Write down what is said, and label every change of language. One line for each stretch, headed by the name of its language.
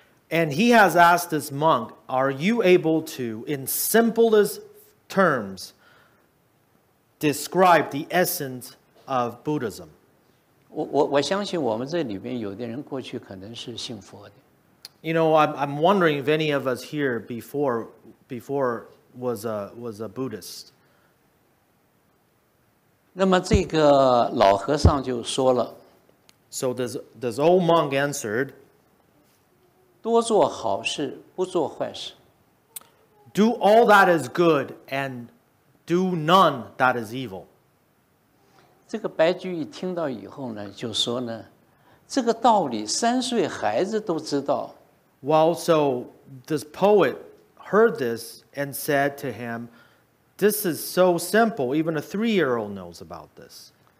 English: And he has asked this monk, are you able to, in simplest terms, describe the essence of Buddhism?
Chinese: 我相信我们这里面有的人过去可能是信佛的。
English: You know, I'm wondering if any of us here before was a Buddhist.
Chinese: 那么这个老和尚就说了,
English: So this old monk answered,
Chinese: 多做好事, 不做坏事,
English: Do all that is good and do none that is evil.
Chinese: 这个白居易听到以后呢, 就说呢, 这个道理三岁孩子都知道,
English: Well, so this poet heard this and said to him, This is so simple, even a three-year-old knows about this.